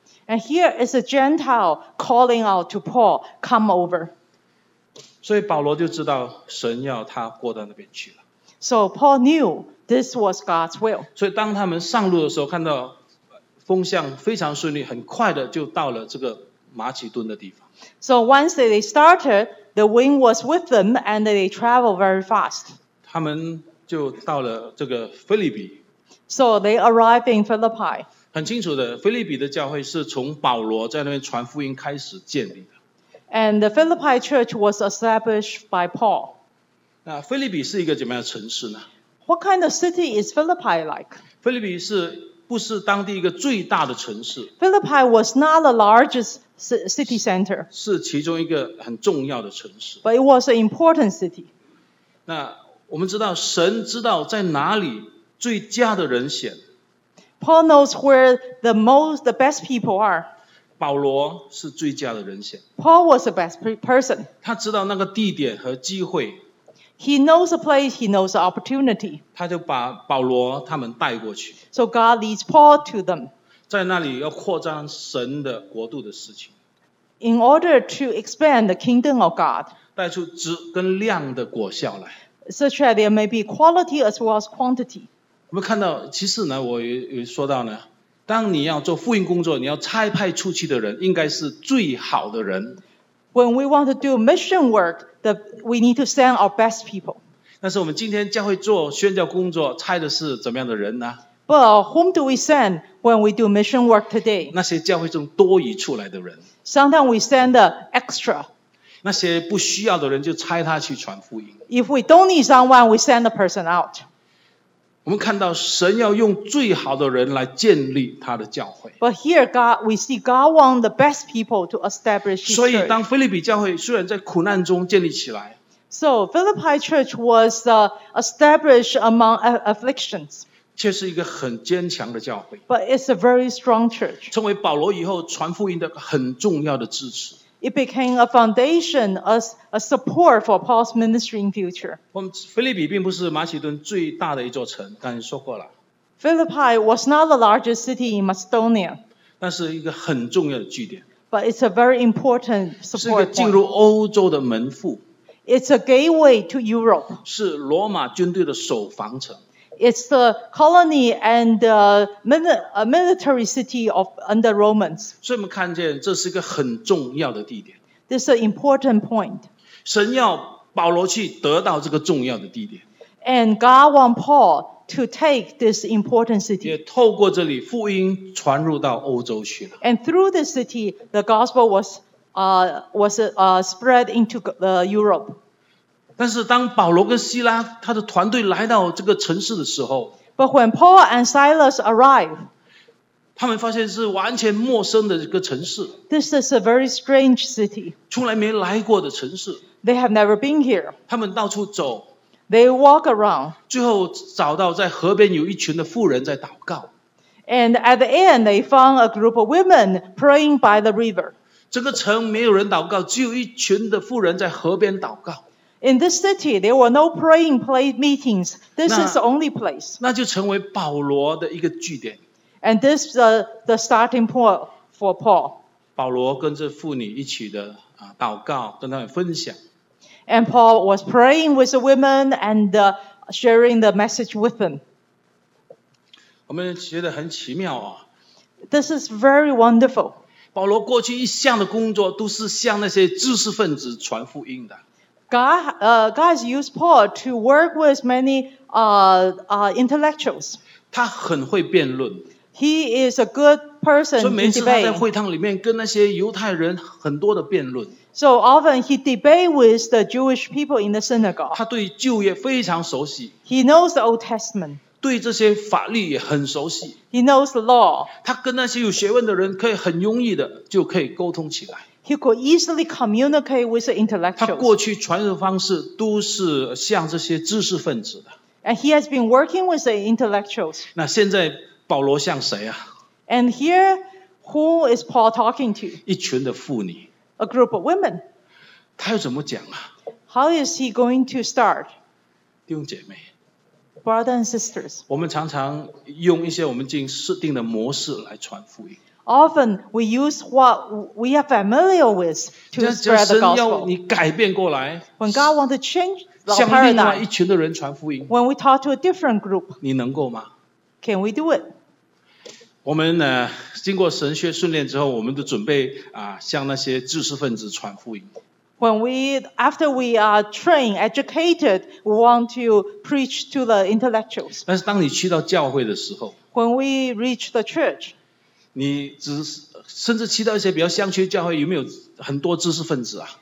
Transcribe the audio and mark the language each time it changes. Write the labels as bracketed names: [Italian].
[English] And here is a Gentile calling out to Paul, come over. [Chinese] 所以保罗就知道神要他过到那边去了。 [English] So Paul knew this was God's will. [Chinese] 所以当他们上路的时候，看到风向非常顺利，很快的就到了这个马其顿的地方。 [English] So once they started, the wind was with them and they traveled very fast. [Chinese] 他们就到了这个腓立比。 [English] So they arrived in Philippi. [Chinese] 很清楚的，腓立比的教会是从保罗在那边传福音开始建立的。 [English] And the Philippi church was established by Paul. [Chinese] 那腓立比是一个怎么样的城市呢？ [English] What kind of city is Philippi like? [Chinese] 腓立比是不是当地一个最大的城市？ [English] Philippi was not the largest city center. [Chinese] 是其中一个很重要的城市。 [English] But it was an important city. [Chinese] 那我们知道神知道在哪里最佳的人选。 [English] Paul knows where the best people are. [Chinese] 保罗是最佳的人选。 [English] Paul was the best person. [Chinese] 他知道那个地点和机会。 [English] He knows the place, he knows the opportunity. [Chinese] 他就把保罗他们带过去。 [English] So God leads Paul to them. [Chinese] 在那里要扩张神的国度的事情。 [English] In order to expand the kingdom of God. [Chinese] 带出质跟量的果效来。 [English] Such that there may be quality as well as quantity. [Chinese] 我们看到其实呢我 有说到呢当你要做福音工作你要差派出去的人应该是最好的人。 [English] When we want to do mission work, that we need to send our best people. [Chinese] 但是我们今天教会做宣教工作差的是怎么样的人呢？ [English] But whom do we send when we do mission work today? [Chinese] 那些教会中多余出来的人。 [English] Sometimes we send the extra. [Chinese] 那些不需要的人就差他去传福音。 [English] If we don't need someone, we send the person out. [Chinese] 我们看到神要用最好的人来建立他的教会。 [English] But here, God, we see God want the best people to establish his church. [Chinese] 所以当腓立比教会虽然在苦难中建立起来。 [English] So, Philippi Church was established among afflictions. [Chinese] 却是一个很坚强的教会。 [English] But it's a very strong church. [Chinese] 成为保罗以后传福音的很重要的支持。 [English] It became a foundation, a support for Paul's ministry in future. [Chinese] 腓立比并不是马其顿最大的一座城，刚才说过了。 [English] Philippi was not the largest city in Macedonia. [Chinese] 但是一个很重要的据点。 [English] But it's a very important support point. [Chinese] 是一个进入欧洲的门户。 [English] It's a gateway to Europe. [Chinese] 是罗马军队的守防城。 [English] It's the colony and the military city of under Romans. [Chinese] 所以我们看见这是一个很重要的地点。 [English] This is an important point. [Chinese] 神要保罗去得到这个重要的地点。 [English] And God want Paul to take this important city. [Chinese] 也透过这里福音传入到欧洲去了。 [English] And through this city, the gospel was spread into Europe. [Chinese] 但是当保罗跟希拉他的团队来到这个城市的时候 [English] But when Paul and Silas arrive, [Chinese] 他们发现是完全陌生的一个城市 [English] This is a very strange city. [Chinese] 从来没来过的城市 [English] They have never been here. [Chinese] 他们到处走 [English] They walk around. [Chinese] 最后找到在河边有一群的妇人在祷告 [English] And at the end, they found a group of women praying by the river. [Chinese] 整个城没有人祷告只有一群的妇人在河边祷告 [English] In this city, there were no praying meetings. This is the only place. [Chinese] 那就成为保罗的一个据点。 [English] And this is the starting point for Paul. [Chinese] 保罗跟这妇女一起的祷告，跟他们分享。 [English] And Paul was praying with the women and sharing the message with them. [Chinese] 我们觉得很奇妙啊。 [English] This is very wonderful. [Chinese] 保罗过去一向的工作都是向那些知识分子传福音的。 [English] God has used Paul to work with many intellectuals. [Chinese] 他很会辩论。 [English] He is a good person in debate. [Chinese] 所以每次他在会堂里面跟那些犹太人很多的辩论。 [English] So often he debate with the Jewish people in the synagogue. [Chinese] 他对旧约非常熟悉。 [English] He knows the Old Testament. [Chinese] 对这些法律也很熟悉。 [English] He knows the law. [Chinese] 他跟那些有学问的人可以很容易的就可以沟通起来。 [English] He could easily communicate with the intellectuals. [Chinese] 他过去传的方式都是向这些知识分子的。 [English] And he has been working with the intellectuals. [Chinese] 那现在保罗向谁啊？ [English] And here, who is Paul talking to? [Chinese] 一群的妇女。 [English] A group of women. [Chinese] 他又怎么讲啊？ [English] How is he going to start? [Chinese] 弟兄姐妹。 [English] Brothers and sisters. [Chinese] 我们常常用一些我们已经设定的模式来传福音。 [English] Often we use what we are familiar with to spread the gospel. [Chinese] 神要你改变过来。 [English] When God wants to change our paradigm. [Chinese] 向另外一群的人传福音。 [English] When we talk to a different group. [Chinese] 你能够吗？ [English] Can we do it? [Chinese] 我们呢，经过神学训练之后，我们都准备向那些知识分子传福音。 [English] When we, after we are trained, educated, we want to preach to the intellectuals. [Chinese] 但是当你去到教会的时候。 [English] When we reach the church. [Chinese] 你只甚至去到一些比较乡区教会，有没有很多知识分子啊